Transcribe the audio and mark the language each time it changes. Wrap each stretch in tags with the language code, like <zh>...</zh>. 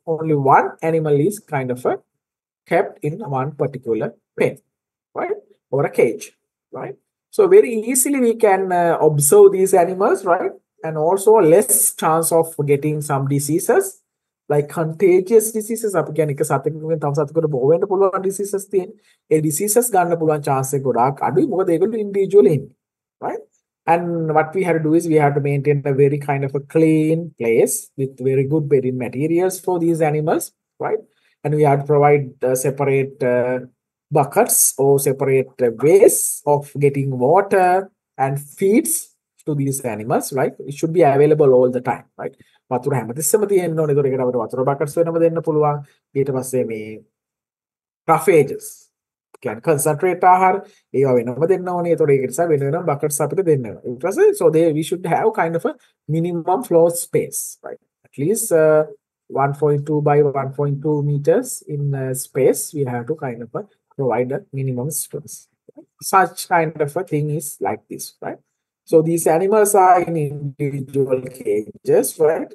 <en>Only one animal is kind of a kept in one particular pen, right? Or a cage, right? So very easily we can observe these animals, right? And also less chance of getting some diseases, like contagious diseases.</en> <si>අපි කියන්නේ එක සතෙකුගෙන් තව සතෙකුට බෝ වෙන්න පුළුවන් diseases තියෙන. ඒ diseases ගන්න පුළුවන් chance එක ගොඩාක් අඩුයි. මොකද ඒගොල්ලෝ individual ඉන්නේ, right?</si> <en>And what we have to do is we have to maintain a very kind of a clean place with very good bedding materials for these animals, right? And we have to provide separate buckets or separate ways of getting water and feeds to these animals, right? It should be available all the time, right?</en> <si>වතුර හැමතිස්සෙම තියෙන්න ඕනේ. ඒකට අපිට වතුර buckets වෙනම දෙන්න පුළුවන්. ඊට පස්සේ මේ roughages, can concentrate ආහාර ඒවා වෙනම දෙන්න ඕනේ. ඒතකොට ඒක නිසා වෙන වෙනම buckets අපිට දෙන්න ඕනේ. ඊට පස්සේ</si> <en>so they, we should have kind of a minimum floor space, right? At least 1.2 by 1.2 meters in space, we have to kind of provide a minimum space. Such kind of a thing is like this, right? So these animals are in individual cages, right?</en>